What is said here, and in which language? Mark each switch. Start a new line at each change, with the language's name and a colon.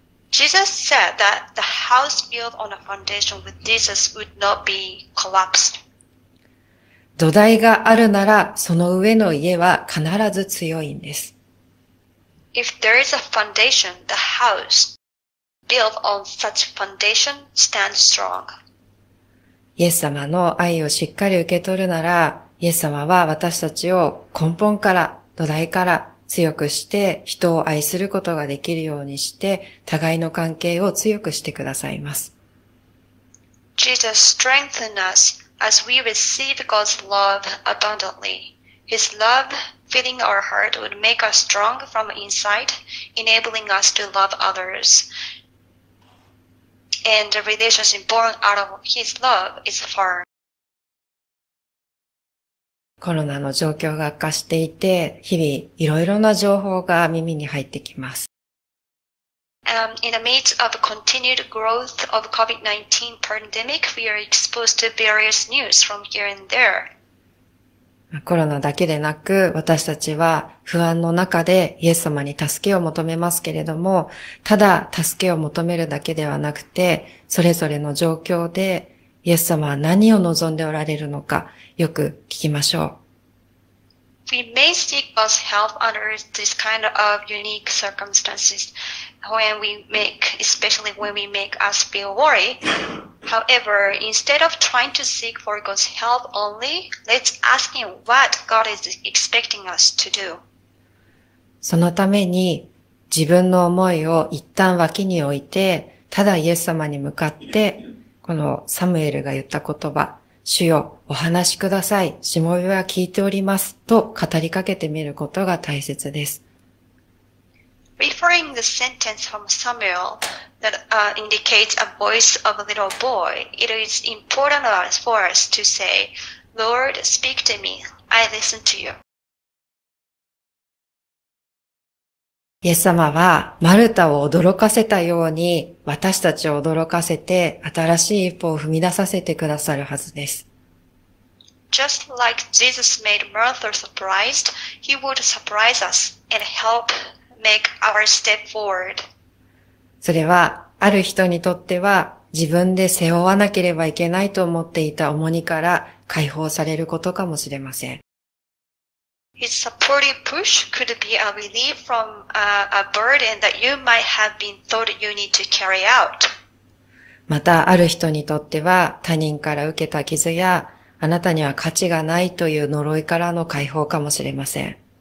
English: Jesus said that the house built on a foundation with Jesus would not be collapsed.
Japanese: 土台があるならその上の家は必ず強いんです。
English: If there is a foundation, the house built on such foundation stands strong.
Japanese: イエス様の愛をしっかり受け取るなら、イエス様は私たちを根本から、土台から強くして、人を愛することができるようにして、互いの関係を強くしてくださいます。
English: Jesus strengthens us as we receive God's love abundantly. His love filling our heart would make us strong from inside, enabling us to love others. And the relationship born out of his love is firm.
Japanese: コロナの状況が悪化していて、日々いろいろな情報が耳に入ってきます。
English: In the midst of continued growth of COVID-19 pandemic, we are exposed to various news from here and there.
Japanese: コロナだけでなく、私たちは不安の中でイエス様に助けを求めますけれども、ただ助けを求めるだけではなくて、それぞれの状況でイエス様は何を望んでおられるのか、よく聞きましょう。
English: We may seek God's help under this kind of unique circumstances, especially when we make us feel worried. However, instead of trying to seek for God's help only, let's ask Him what God is expecting us to do.
Japanese: そのために自分の思いを一旦脇に置いて、ただイエス様に向かって、このサムエルが言った言葉、主よ、お話しください。しもべは聞いております。と語りかけてみることが大切です。
English: Referring the sentence from Samuel that, indicates a voice of a little boy, it is important for us to say, Lord, speak to me. I listen to you.
Japanese: イエス様はマルタを驚かせたように私たちを驚かせて新しい一歩を踏み出させてくださるはずです。
English: Just like Jesus made Martha surprised, he would surprise us and help make our step forward.
Japanese: それはある人にとっては自分で背負わなければいけないと思っていた重荷から解放されることかもしれません。
English: His supportive push could be a relief from a burden that you might have been thought you need to carry out.
Japanese: また、ある人にとっては、他人から受けた傷や、あなたには価値がないという呪いからの解放かもしれません。